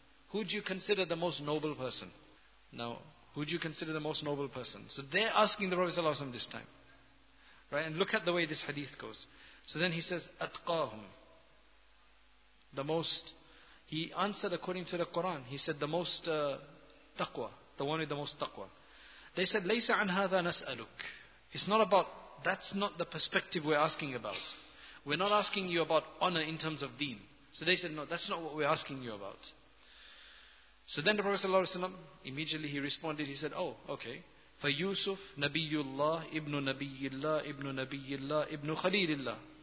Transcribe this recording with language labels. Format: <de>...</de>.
<en>Who do you consider the most noble person? Now, who do you consider the most noble person? So they're asking the Prophet sallallahu alayhi wa sallam this time. Right? And look at the way this hadith goes. So then he says, atqahum. The most, he answered according to the Quran. He said, the most taqwa, the one with the most taqwa.</en> <ar>They said, لَيْسَ عَنْ هَذَا نَسْأَلُكَ.</ar> <en>It's not about, that's not the perspective we're asking about. We're not asking you about honor in terms of deen. So they said, no, that's not what we're asking you about. So then the Prophet ﷺ, immediately he responded, he said, oh, okay.</en> <ar>فَيُوسُفْ نَبِيُّ اللَّهِ إِبْنُ نَبِيِّ اللَّهِ إِبْنُ نَبِيِّ اللَّهِ إِبْنُ خَلِيلِ اللَّهِ.</ar>